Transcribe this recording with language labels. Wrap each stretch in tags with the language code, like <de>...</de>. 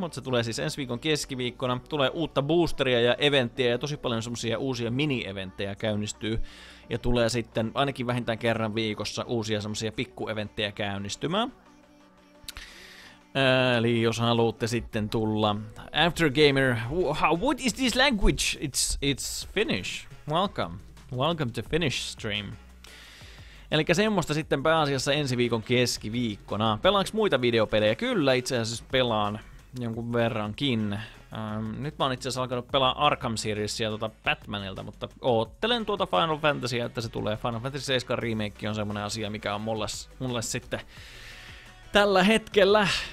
<fi>Mutta se tulee siis ensi viikon keskiviikkona. Tulee uutta boosteria ja eventtiä ja tosi paljon semmosia uusia mini-eventtejä käynnistyy. Ja tulee sitten ainakin vähintään kerran viikossa uusia semmosia pikku-eventtejä käynnistymään. Eli jos haluatte sitten tulla.</fi> <en>Aftergamer, what is this language? It's Finnish. Welcome to Finnish stream.</en> <fi>Eli semmoista sitten pääasiassa ensi viikon keskiviikkona. Pelaanko muita videopelejä? Kyllä, itse asiassa pelaan jonkun verrankin. Nyt mä oon itse asiassa alkanut pelaa Arkham Seriesia Batmanilta, mutta oottelen tuota Final Fantasyä, että se tulee. Final Fantasy 7 remake on semmoinen asia, mikä on mulle sitten tällä hetkellä.</fi>